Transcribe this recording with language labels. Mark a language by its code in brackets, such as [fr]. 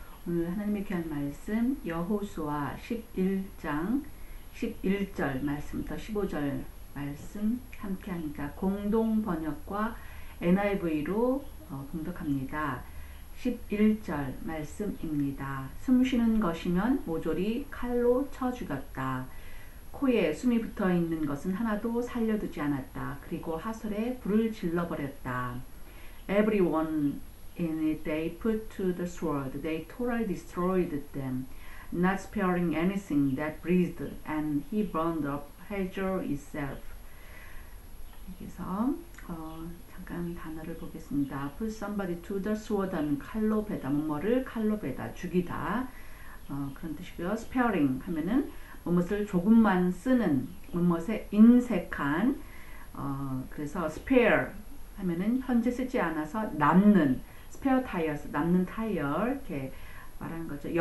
[ko] 오늘 하나님의 귀한 말씀 여호수아 11장 11절 말씀부터 15절 말씀 함께 하니까 공동 번역과 NIV로 공독합니다. 11절 말씀입니다. 숨 쉬는 것이면 모조리 칼로 쳐 죽였다. 코에 숨이 붙어 있는 것은 하나도 살려두지 않았다. 그리고 하설에 불을 질러버렸다. [en] Everyone in it they put to the sword. They totally destroyed them, not sparing anything that breathed, and he burned up Hazor itself. [ko] 여기서 잠깐 단어를 보겠습니다. [en] Put somebody to the sword [ko] 하면 칼로 베다, 뭐를 칼로 베다, 죽이다. 그런 뜻이고요. Sparing 하면은 무엇을 조금만 쓰는, 무엇에 인색한, 그래서 spare 하면은 현재 쓰지 않아서 남는, spare tires, 남는 타이어, 이렇게 말하는 거죠.